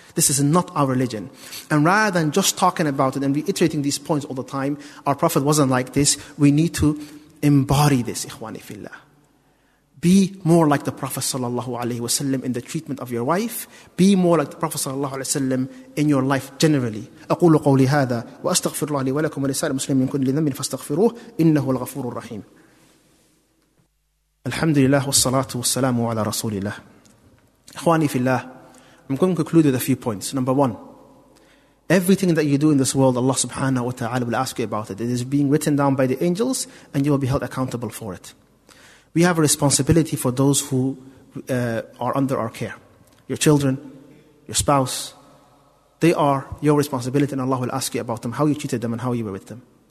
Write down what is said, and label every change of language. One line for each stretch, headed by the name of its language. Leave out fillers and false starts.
English: This is not our religion. And rather than just talking about it and reiterating these points all the time, our Prophet wasn't like this. We need to embody this,
Arabic: ikhwani fillah.
English: Be more like the Prophet sallallahu alaihi wasallam in the treatment of your wife. Be more like the Prophet sallallahu alaihi wasallam in your life generally.
Arabic: أقول قولي هذا وأستغفر الله لي ولكم ولسائر المسلمين من كل ذنب فاستغفروه إنه الغفور الرحيم. الحمد لله والصلاة والسلام على رسول الله. إخواني في الله,
English: I'm going to conclude with a few points. Number one, everything that you do in this world, Allah subhanahu wa ta'ala will ask you about it. It is being written down by the angels and you will be held accountable for it. We have a responsibility for those who are under our care. Your children, your spouse, they are your responsibility and Allah will ask you about them, how you treated them and how you were with them.